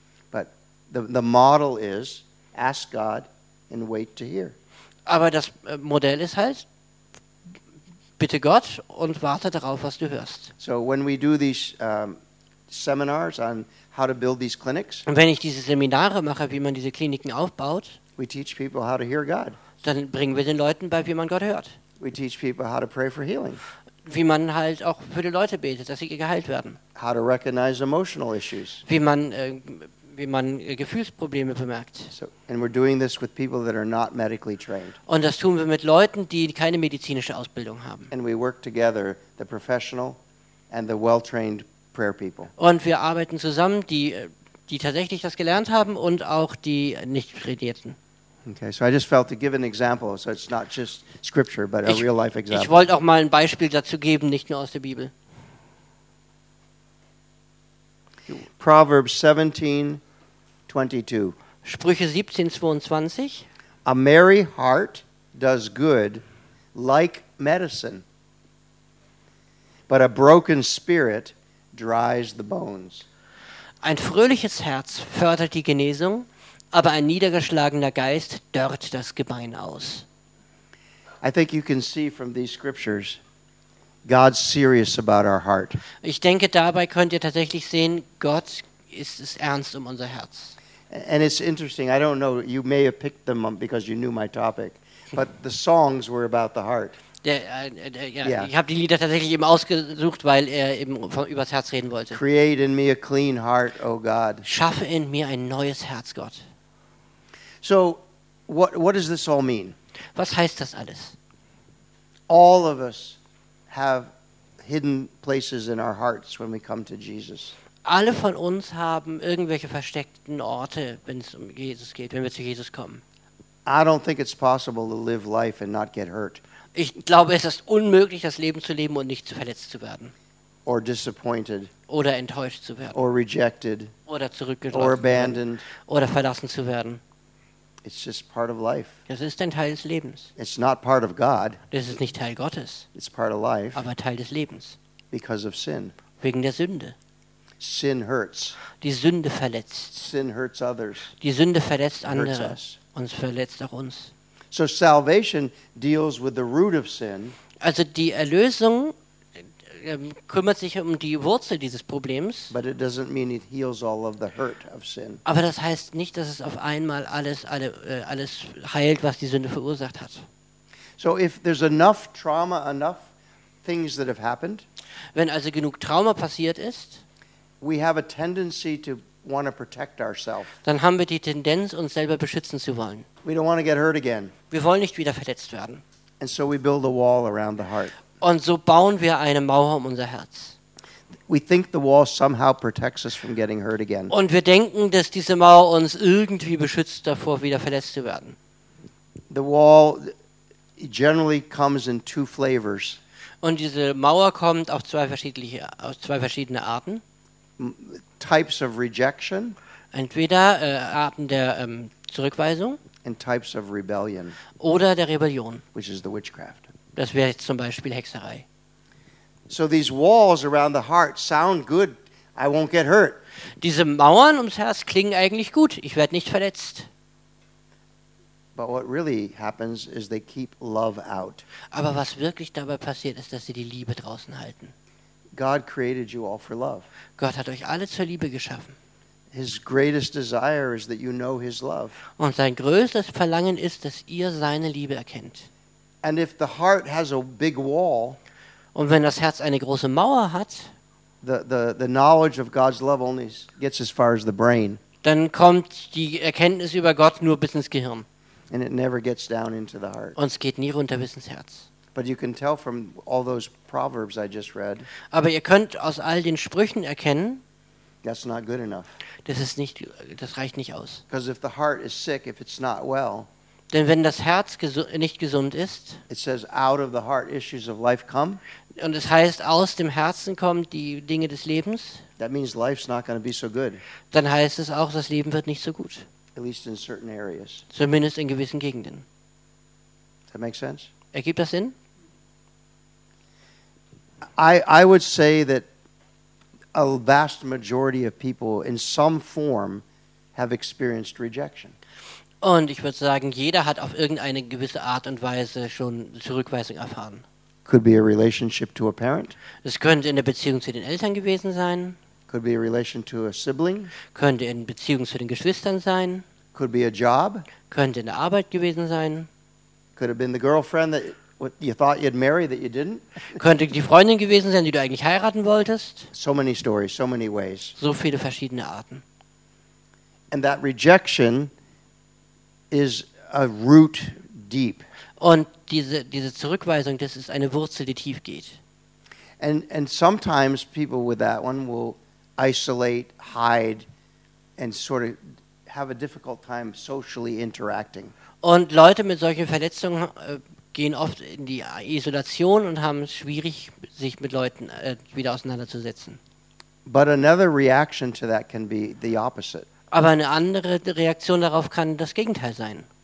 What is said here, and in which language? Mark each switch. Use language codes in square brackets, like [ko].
[en] But the model is ask God and wait to hear. [de] Aber das Modell ist halt bitte Gott und warte darauf, was du hörst. [en] So when we do these seminars on how to build these clinics. [de] Und wenn ich diese Seminare mache, wie man diese Kliniken aufbaut, [en] we teach people how to hear God. [de] Dann bringen wir den Leuten bei, wie man Gott hört. [en] We teach people how to pray for healing. [de] Wie man halt auch für die Leute betet, dass sie geheilt werden. [en] How to recognize emotional issues. [de] Wie man Gefühlsprobleme bemerkt. [en] So, and we're doing this with people that are not medically trained. [de] Und das tun wir mit Leuten, die keine medizinische Ausbildung haben. [en] And we work together, the professional and the well-trained. [de] Und wir arbeiten zusammen, die tatsächlich das gelernt haben und auch die nicht trainierten. [en] Okay, so I just felt to give an example, so it's not just scripture, but a real life example. [de] Ich wollte auch mal ein Beispiel dazu geben, nicht nur aus der Bibel. [en] Proverbs 17:22. [de] Sprüche 17:22. [en] A merry heart does good like medicine, but a broken spirit dries the bones. [de] Ein fröhliches Herz fördert die Genesung, aber ein niedergeschlagener Geist dörrt das Gebein aus. [en] I think you can see from these scriptures, God's serious about our heart. [de] Ich denke, dabei könnt ihr tatsächlich sehen, Gott ist es ernst um unser Herz. [en] And it's interesting. I don't know. You may have picked them because you knew my topic, but the songs were about the heart. [de] Ich habe die Lieder tatsächlich eben ausgesucht, weil er eben übers Herz reden wollte. [en] Create in me a clean heart, O God. [de] Schaffe in mir ein neues Herz, Gott. [en] So, what does this all mean? [de] Was heißt das alles? [en] All of us have hidden places in our hearts when we come to Jesus. [de] Alle von uns haben irgendwelche versteckten Orte, wenn es um Jesus geht, wenn wir zu Jesus kommen. [en] I don't think it's possible to live life and not get hurt. [de] Ich glaube, es ist unmöglich, das Leben zu leben und nicht verletzt zu werden. [en] or disappointed [de] oder enttäuscht zu werden [en] or rejected [de] oder zurückgeworfen [en] or abandoned [de] oder verlassen zu werden. [en] It's just part of life. [de] Das ist ein Teil des Lebens. [en] It's not part of God. [de] Das ist nicht Teil Gottes. [en] It's part of life. [de] Aber Teil des Lebens. [en] Because of sin. [de] Wegen der Sünde. [en] Sin hurts. [de] Die Sünde verletzt. [en] Sin hurts others. [de] Die Sünde verletzt andere. Uns verletzt auch uns. [en] So salvation deals with the root of sin. [de] Also die Erlösung kümmert sich um die Wurzel dieses Problems. [en] But it doesn't mean it heals all of the hurt of sin. [de] Aber das heißt nicht, dass es auf einmal alles heilt, was die Sünde verursacht hat. [en] So if there's enough trauma, enough things that have happened, [de] wenn also genug Trauma passiert ist, [en] we have a tendency to want to protect ourselves. [de] Dann haben wir die Tendenz, uns selber beschützen zu wollen. [en] We don't want to get hurt again. [de] Wir wollen nicht wieder verletzt werden. [en] And so we build a wall around the heart. [de] Und so bauen wir eine Mauer um unser Herz. [en] We think the wall somehow protects us from getting hurt again. [de] Und wir denken, dass diese Mauer uns irgendwie beschützt davor, wieder verletzt zu werden. [en] The wall generally comes in two flavors. [de] Und diese Mauer kommt auf zwei verschiedene Arten. [en] Types of rejection. [de] Entweder Arten der Zurückweisung. [en] And types of rebellion. [de] Oder der Rebellion. [en] Which is the witchcraft. [de] Das wäre jetzt zum Beispiel Hexerei. [en] So these walls around the heart sound good. I won't get hurt. [de] Diese Mauern ums Herz klingen eigentlich gut. Ich werde nicht verletzt. [en] But what really happens is they keep love out. [de] Aber was wirklich dabei passiert ist, dass sie die Liebe draußen halten. [en] God created you all for love. [de] Gott hat euch alle zur Liebe geschaffen. [en] His greatest desire is that you know his love. [de] Und sein größtes Verlangen ist, dass ihr seine Liebe erkennt. [en] And if the heart has a big wall, [de] und wenn das Herz eine große Mauer hat, [en] the knowledge of God's love only gets as far as the brain. [de] Dann kommt die Erkenntnis über Gott nur bis ins Gehirn. [en] And it never gets down into the heart. [de] Und es geht nie runter bis ins Herz. [en] But you can tell from all those proverbs I just read. [de] Aber ihr könnt aus all den Sprüchen erkennen. [en] That's not good enough. [de] Das reicht nicht aus. [en] Because if the heart is sick, if it's not well. [de] Denn wenn das Herz nicht gesund ist. [en] It says out of the heart issues of life come. [de] Und es heißt aus dem Herzen kommen die Dinge des Lebens. [en] That means life's not going to be so good. [de] Dann heißt es auch, das Leben wird nicht so gut. [en] At least in certain areas. [de] Zumindest in gewissen Gegenden. [en] Does that make sense? [de] Ergibt das Sinn? [en] I would say that a vast majority of people in some form have experienced rejection. [de] Und ich würde sagen, jeder hat auf irgendeine gewisse Art und Weise schon Zurückweisung erfahren. [en] Could be a relationship to a parent. [de] Es könnte in der Beziehung zu den Eltern gewesen sein. [en] Could be a relation to a sibling. [de] Könnte in Beziehung zu den Geschwistern sein. [en] Could be a job. [de] Könnte in der Arbeit gewesen sein. [en] Could have been the girlfriend that you thought you'd marry that you didn't. [de] Könnte die Freundin gewesen sein, die du eigentlich heiraten wolltest. [en] So many stories, so many ways. [de] So viele verschiedene Arten. [en] And that rejection is a root deep. [de] Und diese Zurückweisung, das ist eine Wurzel, die tief geht. [en] And sometimes people with that one will isolate, hide and sort of have a difficult time socially interacting. [de] Und Leute mit solchen Verletzungen gehen oft in die Isolation und haben es schwierig, sich mit Leuten wieder auseinanderzusetzen. [en] But another reaction to that can be the opposite. [de] Aber eine andere Reaktion darauf kann das Gegenteil sein.